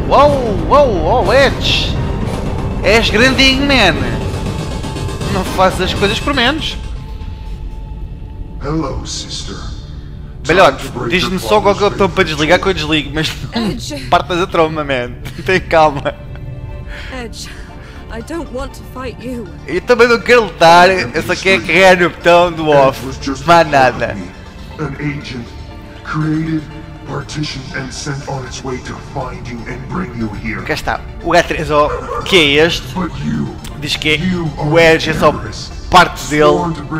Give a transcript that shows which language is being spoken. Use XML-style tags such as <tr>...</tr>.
<pt>Uou, uou, uou, Edge! És grandinho, man! Não fazes as coisas por menos.</pt> <en>Hello, sister.</en> <pt>Melhor, diz-me só qual é o botão para desligar que eu desligo, mas não partas a tromba, man. Tem calma.</pt> <en>Edge, I don't want to fight you.</en> <pt>Eu também não quero lutar, eu só quero carregar no botão do off. Mais nada.</pt> <en>An agent created, partitioned and sent on its way to find you and bring you here.</en> <pt>Cá está, o H3O, que é este? Diz que é o Edge, é só parte dele.</pt>